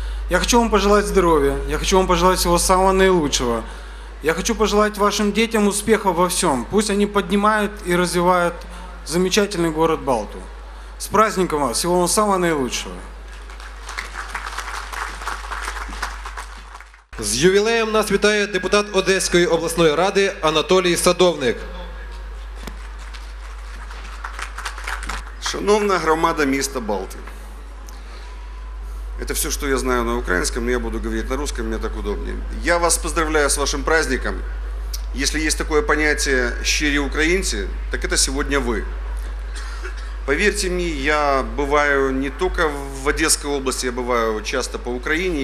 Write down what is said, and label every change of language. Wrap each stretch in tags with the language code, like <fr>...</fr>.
<ru>Я хочу вам пожелать здоровья, я хочу вам пожелать всего самого наилучшего. Я хочу пожелать вашим детям успеха во всем. Пусть они поднимают и развивают замечательный город Балту. С праздником вас, всего вам самого наилучшего.</ru> <uk>С юбилеем нас вітає депутат Одеської обласної ради Анатолій Садовник. Шановна громада міста Балти.</uk> <ru>Это все, что я знаю на украинском, но я буду говорить на русском, мне так удобнее. Я вас поздравляю с вашим праздником. Если есть такое понятие</ru> <uk>«щирі українці»,</uk> <ru>так это сегодня вы. Поверьте мне, я бываю не только в Одесской области, я бываю часто по Украине.</ru>